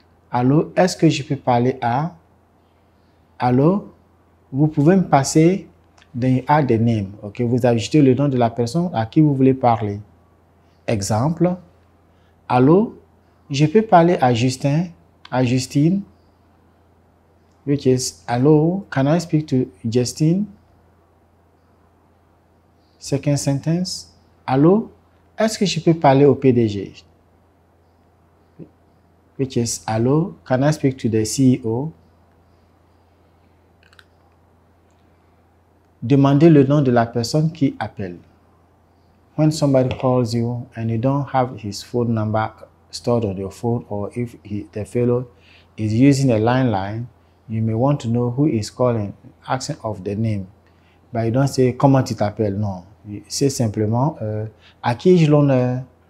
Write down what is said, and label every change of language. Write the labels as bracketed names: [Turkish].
[French] Allô, est-ce que je peux parler à. Allô, vous pouvez me passer. [English] Then you add the name. Okay, [French] vous ajoutez le nom de la personne à qui vous voulez parler. Exemple, allô, je peux parler à Justin, à Justine. [English] Which is, allô, can I speak to Justine? Second sentence, [French] allô, est-ce que je peux parler au PDG? [English] Which is, allô, can I speak to the CEO? [French] Demandez le nom de la personne qui appelle. [English] When somebody calls you and you don't have his phone number stored on your phone, or if the fellow is using a landline, you may want to know who is calling, asking of the name. But you don't say, [French] comment tu t'appelles? Non. C'est simplement, à qui ai-je l'honneur?